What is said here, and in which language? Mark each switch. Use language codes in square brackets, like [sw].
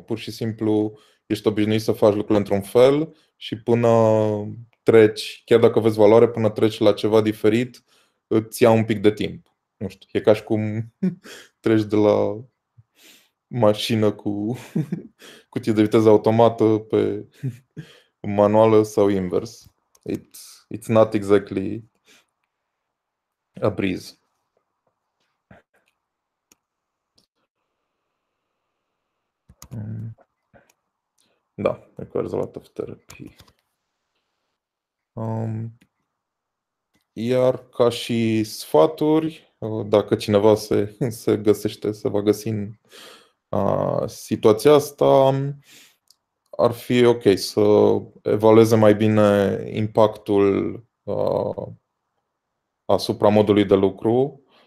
[ro] Pur și simplu ești obișnuit să faci lucrurile într-un fel și până treci, chiar dacă vezi valoare, până treci la ceva diferit, îți ia un pic de timp. Nu știu, e ca și cum treci de la mașină cu cutie de viteză automată pe manuală sau invers. [en] It's not exactly a breeze. Da, requires a lot of therapy. [ro] Iar ca și sfaturi, dacă cineva se găsește, se va găsi în situația asta, ar fi ok să evalueze mai bine impactul asupra modului de lucru.